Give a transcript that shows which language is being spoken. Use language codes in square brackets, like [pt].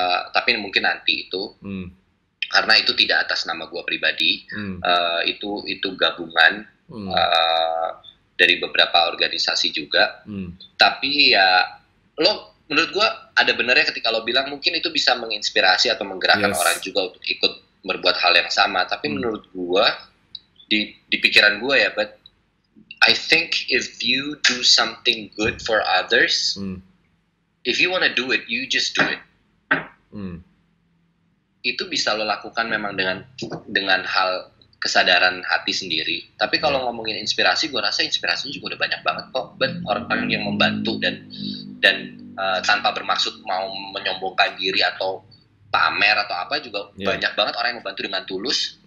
[id] Tapi mungkin nanti itu. Hmm. Karena itu tidak atas nama gue pribadi. Hmm. Itu gabungan. Hmm. Dari beberapa organisasi juga. Hmm. Tapi ya, lo menurut gue ada benernya ketika lo bilang mungkin itu bisa menginspirasi atau menggerakkan, yes, orang juga untuk ikut berbuat hal yang sama. Tapi menurut gue, di pikiran gue ya, [en] but I think if you do something good for others, if you wanna do it, you just do it. [id] Itu bisa lo lakukan memang dengan hal kesadaran hati sendiri. Tapi kalau ngomongin inspirasi, gue rasa inspirasinya juga udah banyak banget kok. But orang yang membantu dan tanpa bermaksud mau menyombongkan diri atau pamer atau apa juga, yeah, banyak banget orang yang membantu dengan tulus.